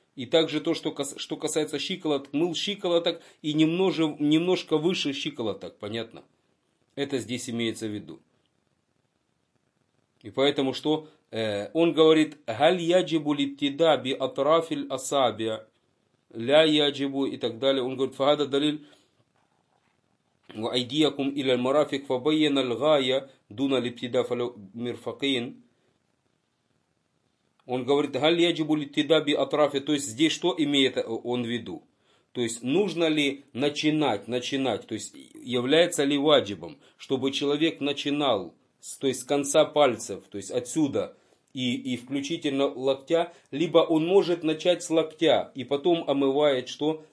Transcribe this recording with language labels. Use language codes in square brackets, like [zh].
[ru] И также то, что касается щиколоток. Мыл щиколоток и немножко выше щиколоток, понятно? Это здесь имеется в виду. И поэтому что? Он говорит, [ar] «Галь яджибу либтида би атрафиль асабия, ля яджибу» [ru] и так далее. Он говорит, [ar] «Фагада далиль». وأيديكم إلى المرافق فبين الغاية دون الابتداء فالمرفقين. [ru] Он говорит, [ar] هل يجب الابتداء بأطراف. [ru] То есть здесь что имеет он в виду? То есть нужно ли начинать? То есть является ли ваджибом, чтобы человек начинал, то есть с конца пальцев, то есть отсюда и включительно локтя, либо он может начать с локтя и потом омывает что?